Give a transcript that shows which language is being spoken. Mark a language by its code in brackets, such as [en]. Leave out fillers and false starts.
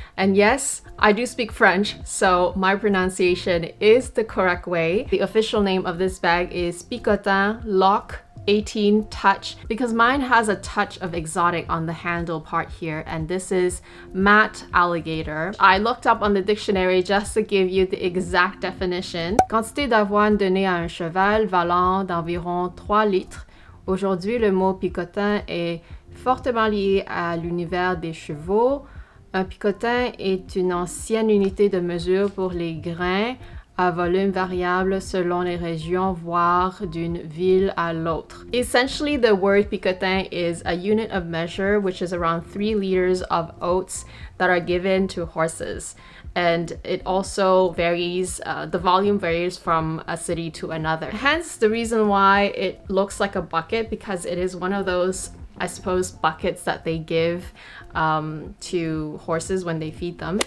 [en] And yes, I do speak French, so my pronunciation is the correct way. The official name of this bag is Picotin Lock 18 Touch, because mine has a touch of exotic on the handle part here, and this is matte alligator. I looked up on the dictionary just to give you the exact definition. [fr] Quantité d'avoine donnée à un cheval valant d'environ 3 litres. Aujourd'hui, le mot picotin est fortement lié à l'univers des chevaux. Un picotin est une ancienne unité de mesure pour les grains à volume variable selon les régions, voire d'une ville à l'autre. [en] Essentially, the word picotin is a unit of measure, which is around 3 liters of oats that are given to horses. And it also varies, the volume varies from a city to another. Hence the reason why it looks like a bucket, because it is one of those, I suppose, buckets that they give to horses when they feed them.